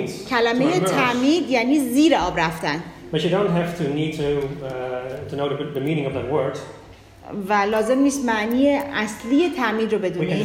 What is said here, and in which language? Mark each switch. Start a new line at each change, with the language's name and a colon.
Persian: کلمه تعمید یعنی زیر آب رفتن.
English: But you don't have to need to know the meaning of that word.
Persian: و لازم نیست معنی اصلی تعمید رو بدونیم.